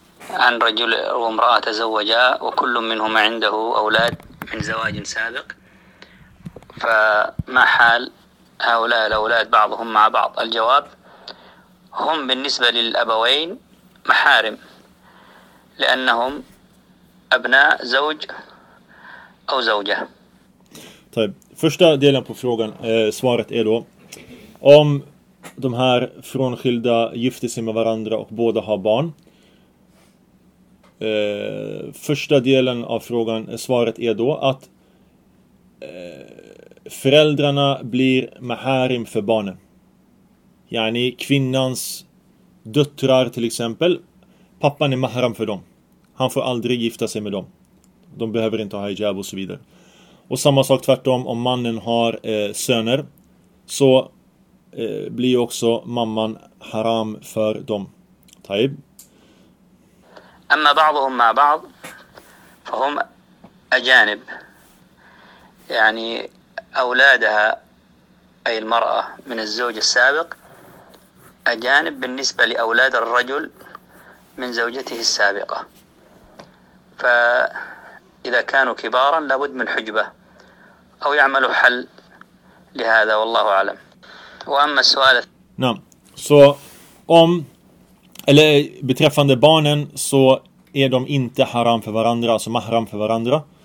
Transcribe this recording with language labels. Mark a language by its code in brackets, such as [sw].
[ar] عن رجل وامرأة تزوجا وكل منهما عنده أولاد من زواج سابق فما حال هؤلاء الأولاد بعضهم مع بعض الجواب هم بالنسبة للأبوين محارم لأنهم أبناء زوج أو زوجة. طيب [sv] första delen på frågan svaret är då om de här frånskilda gifte sig med varandra och båda har barn. Första delen av frågan, svaret är då att föräldrarna blir maharim för barnen. Yani kvinnans döttrar till exempel, pappan är maharim för dem. Han får aldrig gifta sig med dem. De behöver inte ha hijab och så vidare. Och samma sak tvärtom, om mannen har söner så blir också mamman haram för dem. Taib. [ar] أما بعضهم مع بعض فهم أجانب يعني أولادها أي المرأة من الزوج السابق أجانب بالنسبة لأولاد الرجل من زوجته السابقة فإذا كانوا كبارا لابد من حجبة أو يعملوا حل لهذا والله أعلم. وأما السؤال نعم سو أم [sv] beträffande barnen så är de inte haram för varandra, alltså mahram för varandra.